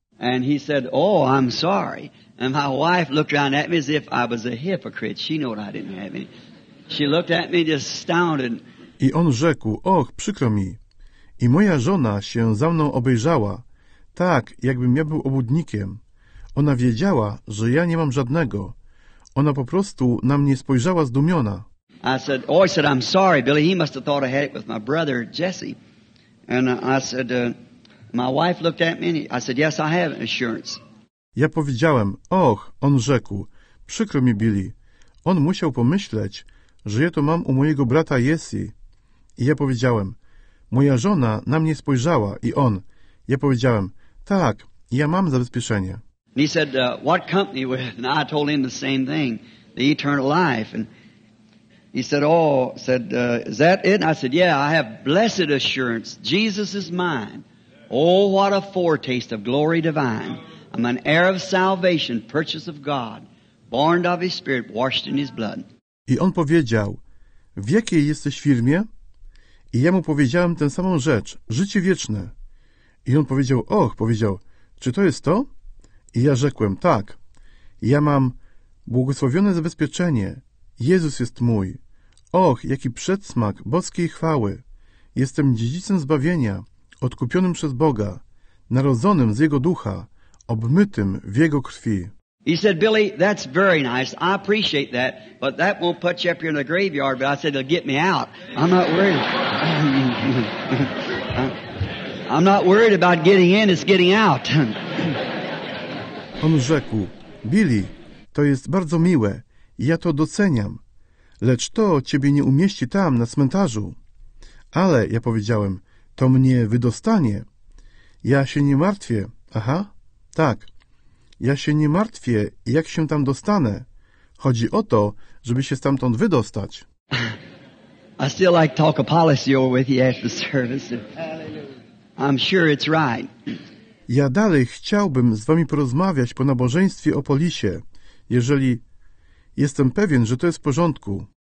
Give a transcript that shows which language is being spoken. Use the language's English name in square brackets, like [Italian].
[English] And he said, "Oh, I'm sorry." And my wife looked around at me as if I was a hypocrite. She knew I didn't have any. She looked at me just astounded. [Polish] I on rzekł, "Och, przykro mi." I moja żona się za mną obejrzała, tak jakbym ja był obłudnikiem. Ona wiedziała, że ja nie mam żadnego. Ona po prostu na mnie spojrzała zdumiona. [English] I said, "Oh," I said, "I'm sorry, Billy. He must have thought I had it with my brother Jesse." And I said, "My wife looked at me." And I said, "Yes, I have insurance." [Polish] Ja powiedziałem, "Och," on rzekł, "przykro mi, Billy." On musiał pomyśleć, że ja to mam u mojego brata Jesse. I ja powiedziałem, "Moja żona na mnie spojrzała." I on, ja powiedziałem, "Tak, ja mam zabezpieczenie." [English] And he said, "What company with?" And I told him the same thing, the Eternal Life. And he said, "Oh," said, "is that it?" And I said, "Yeah, I have blessed assurance. Jesus is mine. Oh, what a foretaste of glory divine. I'm an heir of salvation, purchase of God, born of His Spirit, washed in His blood." [Polish] I on powiedział, "W jakiej jesteś firmie?" I ja mu powiedziałem tę samą rzecz, życie wieczne. I on powiedział, "Och," powiedział, "czy to jest to?" I ja rzekłem, "Tak, ja mam błogosławione zabezpieczenie. Jezus jest mój. Och, jaki przedsmak boskiej chwały. Jestem dziedzicem zbawienia, odkupionym przez Boga, narodzonym z Jego ducha, obmytym w Jego krwi." [English] He said, "Billy, that's very nice. I appreciate that, but that won't put you up here in the graveyard." But I said, "It'll get me out. I'm not worried. I'm not worried about getting in, it's getting out." [Polish] On rzekł, "Billy, to jest bardzo miłe. Ja to doceniam, lecz to ciebie nie umieści tam, na cmentarzu." Ale ja powiedziałem, "To mnie wydostanie. Ja się nie martwię." Aha, tak. Ja się nie martwię, jak się tam dostanę. Chodzi o to, żeby się stamtąd wydostać. [English] I still like to talk a policy over with you after service. I'm sure it's right. [Polish] Ja dalej chciałbym z wami porozmawiać po nabożeństwie o polisie, jeżeli jestem pewien, że to jest w porządku.